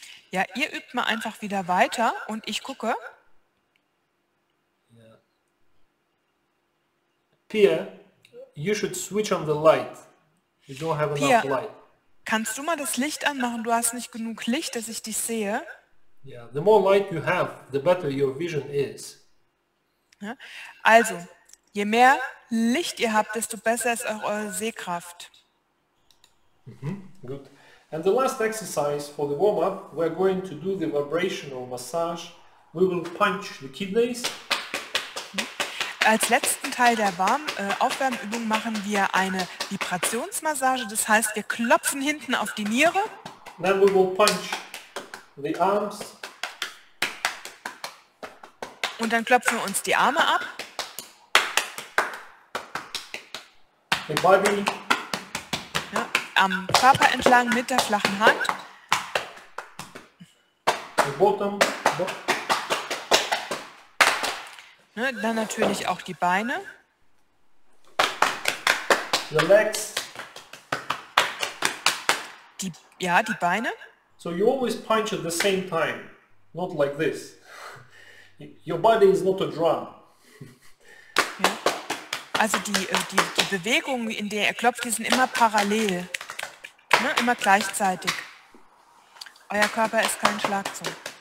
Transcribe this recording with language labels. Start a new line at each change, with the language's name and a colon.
German: Ja, ihr übt mal einfach wieder weiter und ich gucke.
English: Yeah. Pia, you should switch on the light. You don't have Pia, enough light.
German: Kannst du mal das Licht anmachen? Du hast nicht genug Licht, dass ich dich sehe.
English: Yeah, the more light you have, the better your vision is.
German: Ja? Also, je mehr Licht ihr habt, desto besser ist auch eure Sehkraft.
English: Mm-hmm. Good. And the last exercise for the warm-up, we're going to do the vibration or massage. We will punch the kidneys.
German: Als letzten Teil der Aufwärmübung machen wir eine Vibrationsmassage. Das heißt, wir klopfen hinten auf die Niere.
English: Then we will punch the arms.
German: Und dann klopfen wir uns die Arme ab.
English: The body.
German: Ja, am Körper entlang mit der flachen Hand.
English: The bottom.
German: Ne, dann natürlich auch die Beine.
English: The legs.
German: Die Beine.
English: So you always punch at the same time, not like this. Your body is not a drum.
German: Ja. Also die Bewegungen, in der ihr klopft, die sind immer parallel, ne, immer gleichzeitig. Euer Körper ist kein Schlagzeug.